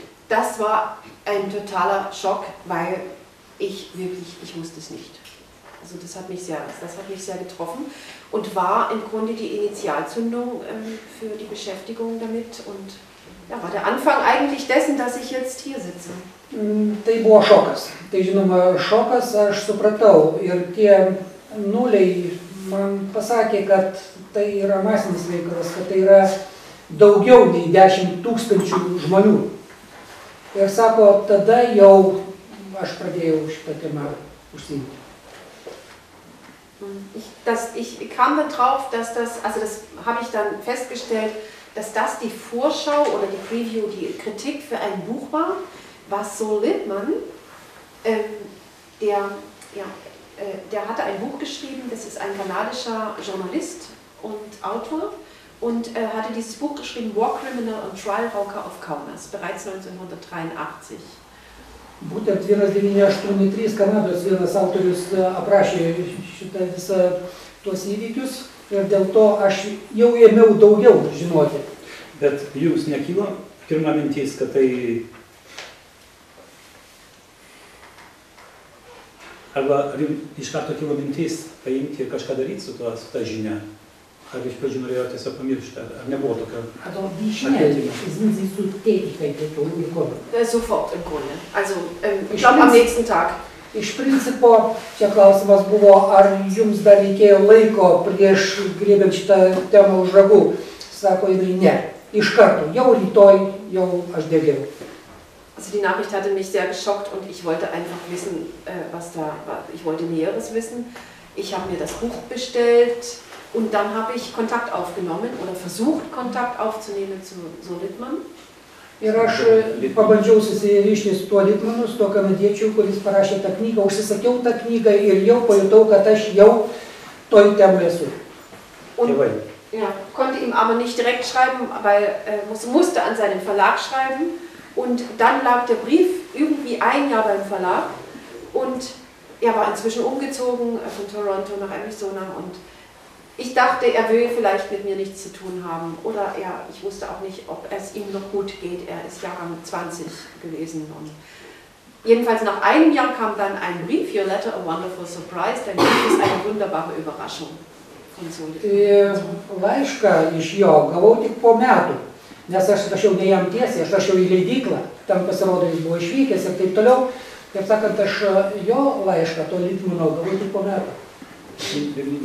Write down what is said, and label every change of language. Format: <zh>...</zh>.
<de>Das war ein totaler Schock, weil ich wirklich, ich wusste es nicht. Also das hat mich sehr getroffen und war im Grunde die Initialzündung für die Beschäftigung damit und ja, war der Anfang eigentlich dessen, dass ich jetzt hier sitze.</de> <lt>Tai buvo šokas. Tai žinoma, šokas, aš supratau. Ir tie nuliai man pasakė, kad tai yra masinis reikalas, kad tai yra daugiau nei 10 tūkstančių žmonių. Ir sako, tada jau aš pradėjau šitą temą užsiimti.</lt> <de>Ich kam da drauf, dass das, also das habe ich dann festgestellt, dass das die Vorschau oder die Preview, die Kritik für ein Buch war, was Sol Lippmann, der hatte ein Buch geschrieben, das ist ein kanadischer Journalist und Autor und hatte dieses Buch geschrieben, War Criminal and Trial Walker of Kaunas, bereits 1983.</de> <lt>Būtent 1983 Kanados vienas autorius aprašė šitą visą tuos įvykius ir dėl to aš jau ėmėjau daugiau žinoti. Bet jums nekilo pirma mintis, kad tai arba iš karto kilo mintis paimti ir kažką daryti su ta žinia? Ar iš pradžių norėjau tiesiog pamiršti, ar nebuvo tokio atėjimo?</lt> <de>Sofort im Grunde. Also, ich glaube, am nächsten Tag.</de> <lt>Iš principo, čia klausimas buvo, ar jums dar reikėjo laiko prieš griebiant šitą temą už ragų? Sako, jinai ne. Iš karto, jau rytoj, jau aš degėjau.</lt> <de>Also die Nachricht hatte mich sehr geschockt und ich wollte einfach wissen, was da war. Ich wollte Näheres wissen. Ich habe mir das Buch bestellt und dann habe ich Kontakt aufgenommen oder versucht, Kontakt aufzunehmen zu Sol Lippmann.</de> <lt>Ir aš pabandžiau susirišti su tuo Lippmannu, su tuo kanadiečiu, kuris parašė tą knygą. Užsisakiau tą knygą ir jau pajutau, kad aš jau toj temoje esu.</lt> <de>Ja, konnte ihm aber nicht direkt schreiben, weil musste an seinen Verlag schreiben. Und dann lag der Brief irgendwie ein Jahr beim Verlag und er war inzwischen umgezogen von Toronto nach Arizona und ich dachte, er will vielleicht mit mir nichts zu tun haben oder ja, ich wusste auch nicht, ob es ihm noch gut geht. Er ist Jahrgang 20 gewesen und jedenfalls nach einem Jahr kam dann ein Brief,</de> <en>Your Letter, a Wonderful Surprise,</en> <de>dein Brief ist eine wunderbare Überraschung.</de> <lt>Laišką iš jo gavau tik po metų. Nes aš rašiau ne jam tiesiai, aš rašiau į leidyklą, tam pasirodo, jis buvo išvykęs ir taip toliau. Kaip sakant, aš jo laišką, to Lippmanno, gavau tik po metų.</lt>